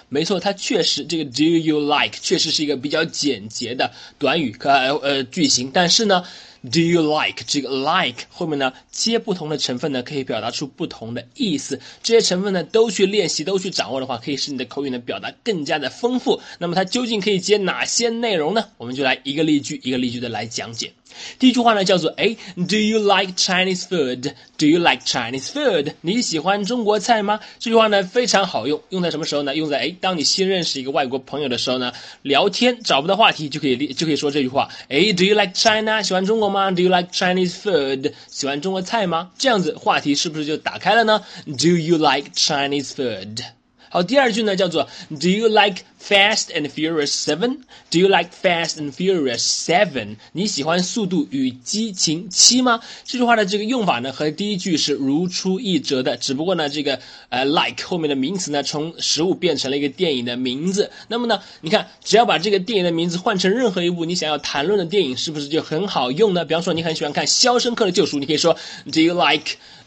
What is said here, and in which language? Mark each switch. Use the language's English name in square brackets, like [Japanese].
[Chinese] 没错，它确实这个 [English] Do you like [Chinese] 确实是一个比较简洁的短语句型，但是呢Do you like? 这个 like 后面呢接不同的成分呢可以表达出不同的意思，这些成分呢都去练习都去掌握的话，可以使你的口语呢表达更加的丰富。那么它究竟可以接哪些内容呢？我们就来一个例句一个例句的来讲解。第一句话呢叫做 [English] Do you like Chinese food? Do you like Chinese food? [Chinese] 你喜欢中国菜吗？这句话呢非常好用，用在什么时候呢？用在当你新认识一个外国朋友的时候呢，聊天找不到话题就可以说这句话。 [English] Do you like China? [Chinese] 喜欢中国吗？ [English] Do you like Chinese food? [Chinese] 喜欢中国菜吗？这样子话题是不是就打开了呢？ [English] Do you like Chinese food? [Chinese] 好，第二句呢叫做 [English] Do you like Fast and Furious 7? Do you like Fast and Furious 7? [Chinese] 你喜欢速度与激情7吗？这句话的这个用法呢和第一句是如出一辙的，只不过呢这个like 后面的名词呢从15变成了一个电影的名字。那么呢你看，只要把这个电影的名字换成任何一部你想要谈论的电影，是不是就很好用呢？比方说你很喜欢看《肖申克的救赎》，你可以说 [English] Do you like...